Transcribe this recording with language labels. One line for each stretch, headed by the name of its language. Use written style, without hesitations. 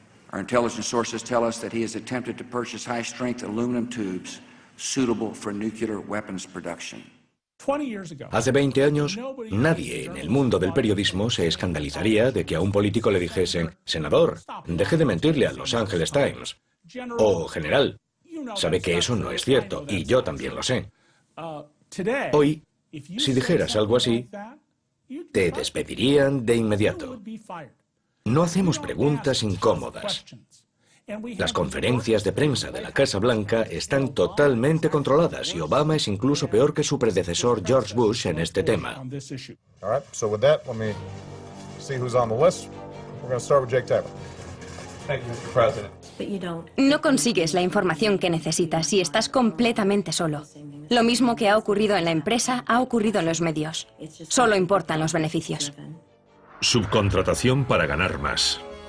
English: Our intelligence sources tell us that he has attempted to purchase high-strength aluminum tubes suitable for nuclear weapons production.
Spanish: Hace 20 años, nadie en el mundo del periodismo se escandalizaría de que a un político le dijesen: senador, deje de mentirle al Los Angeles Times. O general, sabe que eso no es cierto, y yo también lo sé. Hoy, si dijeras algo así, te despedirían de inmediato. No hacemos preguntas incómodas. Las conferencias de prensa de la Casa Blanca están totalmente controladas y Obama es incluso peor que su predecesor George Bush en este tema.
English: All right, so with that, let me see who's on the list. We're going to start with Jake Tapper. Thank you, Mr. President.
Spanish: No consigues la información que necesitas si estás completamente solo. Lo mismo que ha ocurrido en la empresa ha ocurrido en los medios. Solo importan los beneficios. Subcontratación para ganar más.